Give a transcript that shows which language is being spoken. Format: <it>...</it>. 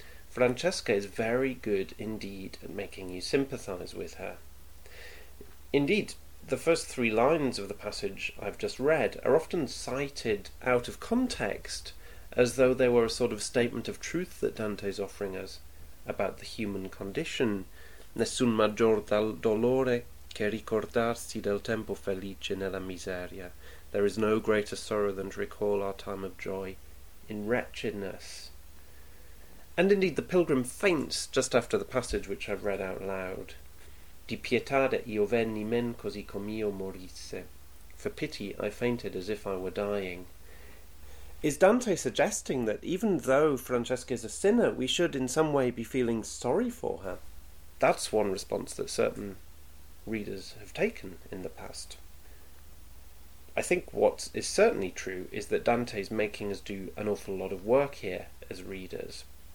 <en>Francesca is very good indeed at making you sympathise with her. Indeed, the first three lines of the passage I've just read are often cited out of context, as though they were a sort of statement of truth that Dante's offering us about the human condition.</en> <it>Nessun maggior dolore che ricordarsi del tempo felice nella miseria.</it> <en>There is no greater sorrow than to recall our time of joy in wretchedness. And indeed, the pilgrim faints just after the passage which I've read out loud.</en> <it>Di pietà io venni men così com'io morisse.</it> <en>For pity, I fainted as if I were dying. Is Dante suggesting that even though Francesca is a sinner, we should in some way be feeling sorry for her? That's one response that certain readers have taken in the past. I think what is certainly true is that Dante's making us do an awful lot of work here as readers.</en>